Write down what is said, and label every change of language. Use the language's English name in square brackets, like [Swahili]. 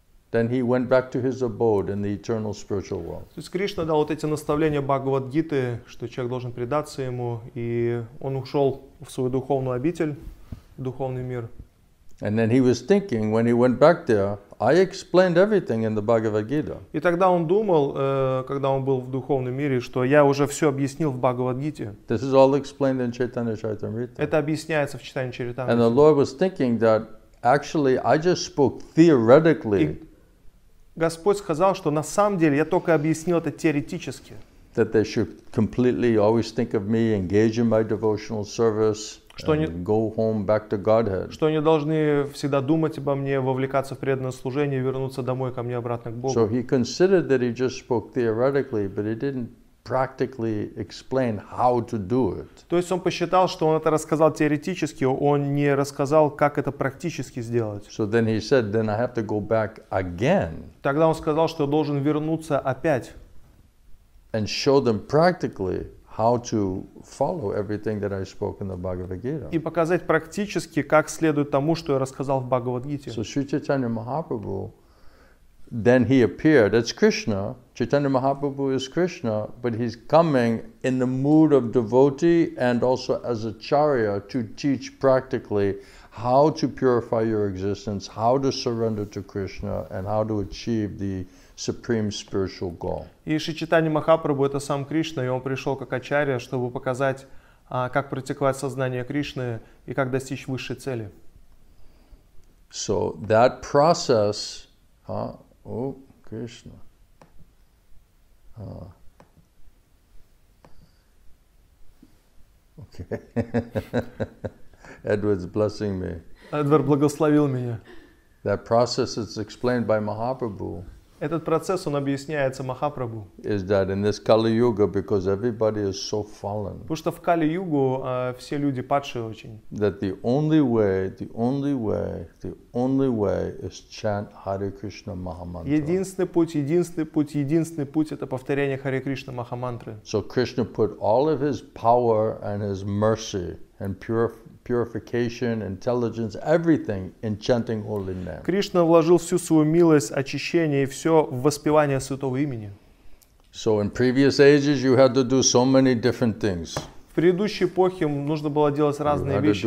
[English] Then he went back to his abode in the eternal spiritual world. [Russian] То есть Кришна дал вот эти наставления Бхагавад Гиты, что человек должен предаться ему, и он ушел в свою духовную обитель, духовный мир. [English] And then he was thinking, when he went back there, I explained everything in the Bhagavad Gita. [Russian] И тогда он думал, когда он был в духовном мире, что я уже все объяснил в Бхагавад Гите. [English] This is all explained in Chaitanya Charitamrita. [Russian] Это объясняется в Читании Чаритамриты. [English] And the Lord was thinking that. Actually, I just spoke theoretically. [Russian] Господь сказал, что на самом деле я только объяснил это теоретически. [English] That they should completely always think of me, engage in my devotional service, and go home back to Godhead. [Russian] Что они должны всегда думать обо мне, вовлекаться в преданное служение, вернуться домой ко мне обратно к Богу. [English] So he considered that he just spoke theoretically, but he didn't practically explain how to do it. [Russian] То есть он посчитал, что он это рассказал теоретически, он не рассказал, как это практически сделать. [English] So then he said, then I have to go back again. [Russian] Тогда он сказал, что должен вернуться опять. [English] And show them practically how to follow everything that I spoke in the Bhagavad Gita. [Russian] И показать практически, как следует тому, что я рассказал в Бхагавад Гите. [English] So Sri Chaitanya Mahaprabhu, then he appeared. It's Krishna. Chaitanya Mahaprabhu is Krishna, but he's coming in the mood of devotee and also as acharya to teach practically how to purify your existence, how to surrender to Krishna, and how to achieve the supreme spiritual goal. [Russian] И Шри Чайтанья Махапрабху это сам Кришна, и он пришел как ачарья, чтобы показать, как практиковать сознание Кришны и как достичь высшей цели. [English] So that process, Krishna. Okay. Edward's blessing me. [Russian] Эдвард благословил меня. [English] That process is explained by Mahaprabhu. [Russian] Этот процесс он объясняется Махапрабху. [English] Is that in this Kali Yuga because everybody is so fallen? [Russian] Потому что в Кали Югу все люди падшие очень. [English] That the only way is chant Hare Krishna Mahamantra. [Russian] Единственный путь это повторение Hare Krishna Mahamantra. [English] So Krishna put all of his power and his mercy and purification, intelligence, everything in chanting holy name. [Russian] Кришна вложил всю свою милость, очищение и все в воспевание святого имени. [English] So in previous ages you had to do so many different things. [Russian] В предыдущей эпохе нужно было делать разные вещи.